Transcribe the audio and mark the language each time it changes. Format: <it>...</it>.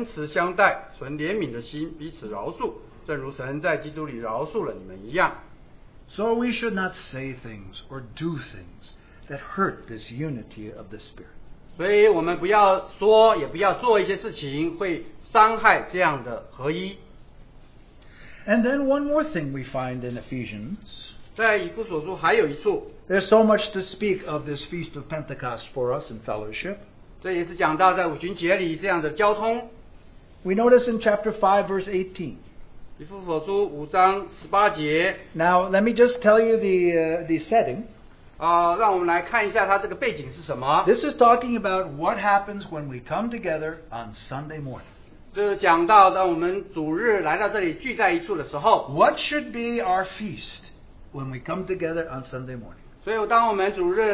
<zh>不要叫圣灵的圣灵担忧,你们原是受了他的印记,等候得赎的日子来到,一切苦毒,恼恨,愤怒,嚷闹,毁谤,并一切的恶毒都当从你们中间除掉,并要以恩慈相待,存怜悯的心,彼此饶恕。</zh> <en>So we should not say things or do things that hurt this unity of the Spirit. And then one more thing we find in Ephesians. There's so much to speak of this Feast of Pentecost for us in fellowship. We notice in chapter 5, verse 18. Now, let me just tell you the setting.</en> <zh>让我们来看一下它这个背景是什么。</zh> <en>This is talking about what happens when we come together on Sunday morning.</en> <zh>这讲到当我们主日来到这里聚在一处的时候。</zh> <en>What should be our feast when we come together on Sunday morning?</en>